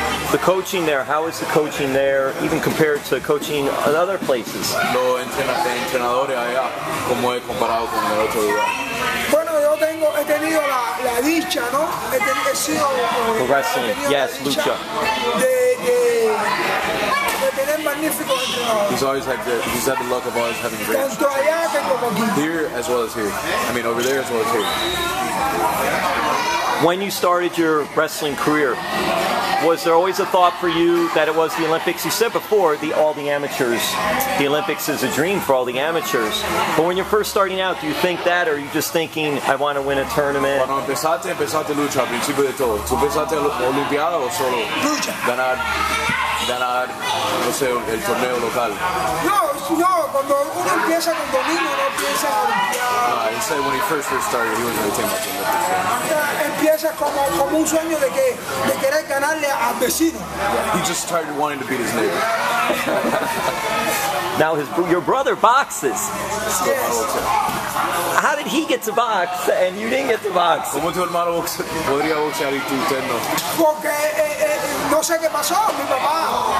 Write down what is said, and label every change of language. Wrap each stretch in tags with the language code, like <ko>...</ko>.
<en>The coaching there, how is the coaching there, even compared to coaching in other places?</en> <es>Los entrenadores allá, ¿cómo es comparado con el otro lugar? Bueno, yo tengo, he tenido la dicha, ¿no? He sido</es> <en>wrestling, yes, lucha.</en> <es>De tener magnífico entrenador.</es> <en>He's always had the luck of always having great.</en> <es>Tanto allá que como aquí.</es> <en>Here as well as here. I mean, over there as well as here. When you started your wrestling career, Was there always a thought for you that it was the Olympics? You said before, all the amateurs, the Olympics is a dream for all the amateurs. But when you're first starting out, do you think that, or are you just thinking, I want to win a tournament?</en> <es>Cuando empezaste lucha al principio de todo. ¿Tú pensaste olimpiada o solo lucha? Ganar, no sé, el torneo local. No, cuando uno empieza con domingo, no piensa en olimpiada.</es> <en>He said when he first started, he wasn't thinking about the Olympics.</en> <es>Empieza como un sueño de querer ganarle al vecino.</es> <en>He just started wanting to beat his neighbor. Now, your brother boxes. Yes. How did he get to box and you didn't get to box?</en> <es>¿Cómo tu hermano podría boxear y tú no? Porque no sé qué pasó, mi papá.</es>